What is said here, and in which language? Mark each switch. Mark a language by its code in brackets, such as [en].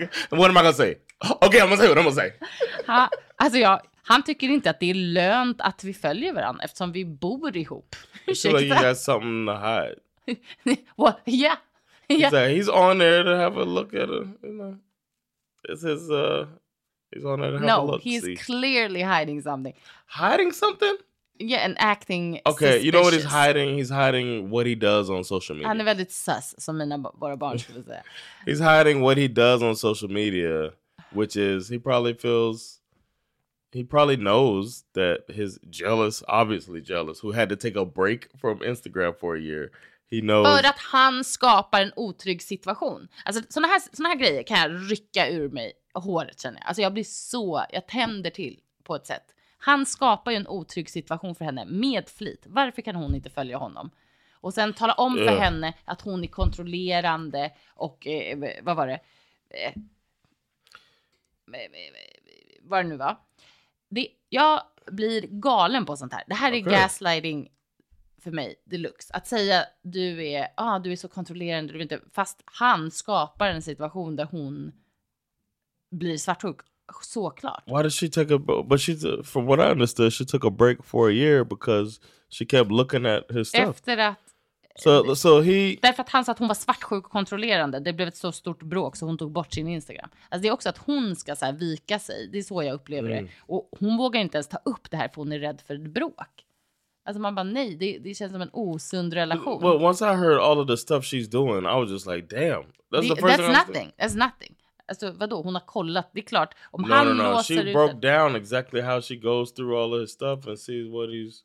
[en] What am I gonna say? Okay, I'm gonna say what I'm gonna say. [sv] Alltså, jag... Han tycker inte att det är lönt att vi följer varandra eftersom vi bor ihop. Ursäkta. [en] Like you got something to hide. Well, yeah. He's, yeah. Like, he's on there to have a look at him. You know, it's his, he's on there to have no, a look. No, he's clearly hiding something. Hiding something? Yeah, and acting okay, suspicious. Okay, you know what he's hiding? He's hiding what he does on social media. [sv] Han är väldigt sus, som mina våra barn skulle säga. [en] He's hiding what he does on social media, which is he probably feels... He probably knows that his jealous, obviously jealous, who had to take a break from Instagram for a year. He knows... [sv] För att han skapar en otrygg situation. Alltså, såna här grejer kan jag rycka ur mig håret, känner jag. Alltså, jag blir så... Jag tänder till på ett sätt. Han skapar ju en otrygg situation för henne med flit. Varför kan hon inte följa honom? Och sen tala om för henne att hon är kontrollerande och... vad var det? Vad är det nu, va? Det, jag blir galen på sånt här. Det här är gaslighting för mig, deluxe. Att säga du är så kontrollerande, du vet inte, fast han skapar en situation där hon blir svartsjuk, såklart. [en] Why did she take a but she from what I understood she took a break for a year because she kept looking at his stuff. [sv] Efter att därför att han sa att hon var svartsjuk och kontrollerande, det blev ett så stort bråk så hon tog bort sin Instagram. Alltså, det är också att hon ska så här vika sig, det är så jag upplever det. Och hon vågar inte ens ta upp det här för hon är rädd för ett bråk. Alltså man bara nej, det känns som en osund relation. [en] Well, once I heard all of the stuff she's doing, I was just like damn. That's nothing. [sv] Alltså vadå, hon har kollat, det är klart. [en] She broke down exactly how she goes through all of his stuff and sees what he's...